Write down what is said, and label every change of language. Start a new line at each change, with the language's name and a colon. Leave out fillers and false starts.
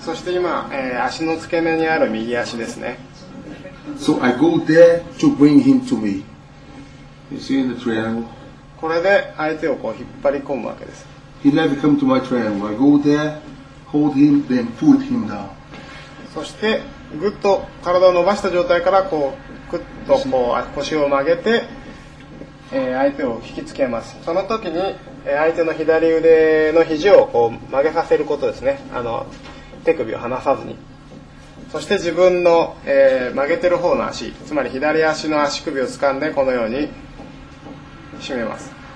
Japanese: そして今、足の付け根にある右足ですね。
English: So I go there to bring him to me. You see in the triangle?
Japanese: これで相手をこう引っ張り込むわけです。
English: He never come to my triangle. I go there, hold him, then put him down.
Japanese: そしてぐっと体を伸ばした状態からこうぐっとこう腰を曲げて、相手を引きつけます。その時に相手の左腕の肘をこう曲げさせることですね。あの手首を離さずに。そして自分の、曲げてる方の足、つまり左足の足首を掴んでこのように締めます。